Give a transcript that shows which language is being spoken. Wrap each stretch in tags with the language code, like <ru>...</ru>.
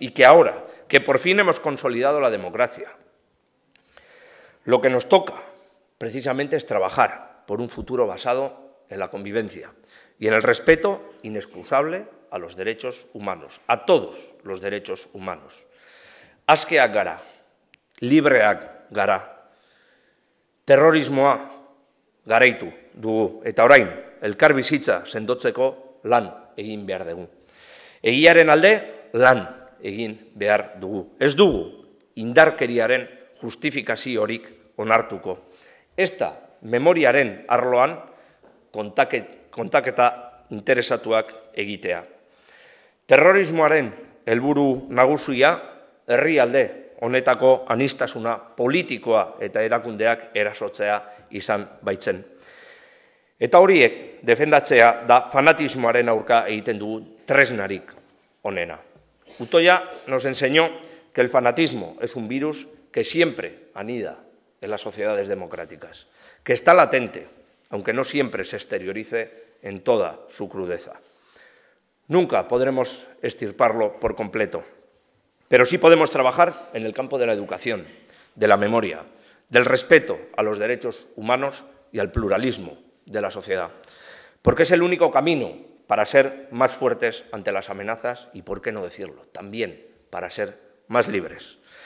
<es>Y que ahora, que por fin hemos consolidado la democracia, lo que nos toca precisamente es trabajar por un futuro basado en la convivencia y en el respeto inexcusable a los derechos humanos, a todos los derechos humanos.</es> <eu>Askeak gara, libreak gara, terrorismoa garaitu dugu, eta orain, elkarbizitza sendotzeko lan egin behar dugu. Egiaren alde, lan egin behar dugu. Ez dugu indarkeriaren justifikaziorik onartuko. Ez da memoriaren arloan kontaketa interesatuak egitea. Terrorismoaren helburu nagusia, herrialde honetako anistasuna politikoa eta erakundeak erasotzea izan baitzen. Eta horiek defendatzea da fanatismoaren aurka egiten dugu tresnarik onena.</eu> <es>Utoya nos enseñó que el fanatismo es un virus que siempre anida en las sociedades democráticas, que está latente, aunque no siempre se exteriorice en toda su crudeza. Nunca podremos extirparlo por completo, pero sí podemos trabajar en el campo de la educación, de la memoria, del respeto a los derechos humanos y al pluralismo de la sociedad, porque es el único camino para ser más fuertes ante las amenazas y, por qué no decirlo, también para ser más libres.</es>